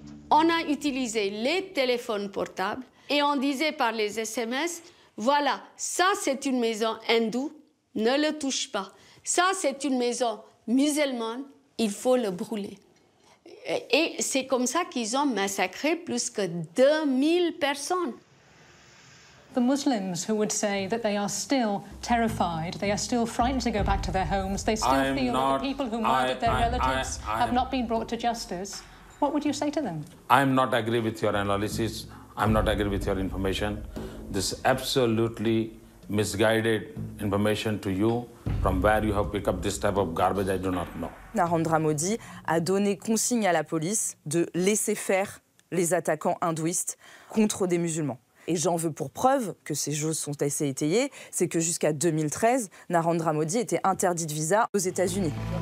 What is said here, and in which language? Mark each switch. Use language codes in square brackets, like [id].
[fr] On a utilisé les téléphones portables Et on disait par les SMS, voilà, ça c'est une maison hindoue, ne le touche pas. Ça c'est une maison musulmane, il faut le brûler. Et c'est comme ça qu'ils ont massacré plus que 2000 personnes. [en] The Muslims who would say that they are still terrified, they are still frightened to go back to their homes, they still feel that the people who murdered their relatives have not been brought to justice. What would you say to them? I'm not agree with your analysis. I'm not agree with your information. This absolutely misguided information to you. From where you have picked up this type of garbage, I do not know. [fr] Narendra Modi a donné consigne à la police de laisser faire les attaquants hindouistes contre des musulmans. Et j'en veux pour preuve que ces choses sont assez étayées, c'est que jusqu'à 2013, Narendra Modi était interdit de visa aux États-Unis.